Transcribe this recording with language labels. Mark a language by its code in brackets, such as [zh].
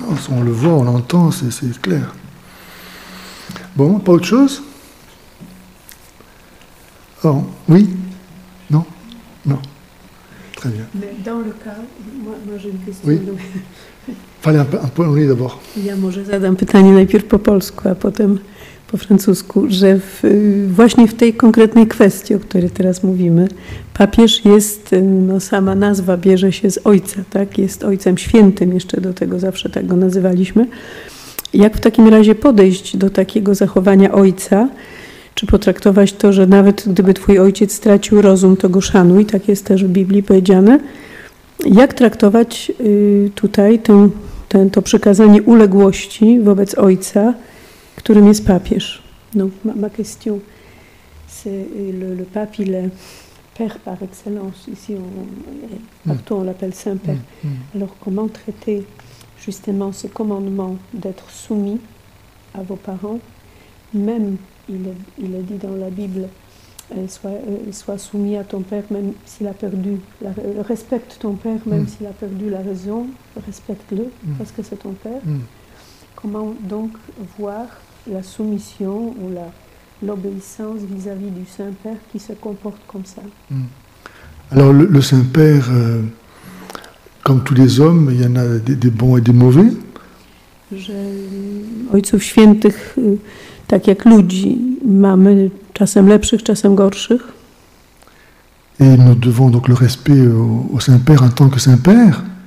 [fr] On le voit, on l'entend, c'est clair. Bon, pas autre chose? Oh, oui? Non? Non. Très bien. Mais dans le cas, moi j'ai une question. Oui. Fallait un point oui, d'abord. [pl] Ja może zadam pytanie najpierw po polsku, a potem po francusku, że właśnie w tej konkretnej kwestii, o której teraz mówimy, papież jest, no sama nazwa bierze się z ojca, tak? Jest ojcem świętym, jeszcze do tego zawsze tak go nazywaliśmy. Jak w takim razie podejść do takiego zachowania ojca? Czy potraktować to, że nawet gdyby twój ojciec stracił rozum, to go szanuj, tak jest też w Biblii powiedziane. Jak traktować tutaj to przykazanie uległości wobec ojca, którym jest papież? [fr] No, ma question. C'est le pape, il est père par excellence. Ici, partout, on l'appelle Saint-Père. Alors, comment traiter justement ce commandement d'être soumis à vos parents, même il a dit dans la Bible, sois soumis à ton père même s'il a perdu, respecte ton père même s'il a perdu la raison, respecte-le parce que c'est ton père. Comment donc voir la soumission ou l'obéissance vis-à-vis du Saint-Père qui se comporte comme ça? Alors le Saint-Père, comme tous les hommes, il y en a des bons et des mauvais. [pl] Że ojców świętych, tak jak ludzi, mamy czasem lepszych, czasem gorszych. [fr] Et nous devons donc le respect au Saint-Père en tant que Saint-Père.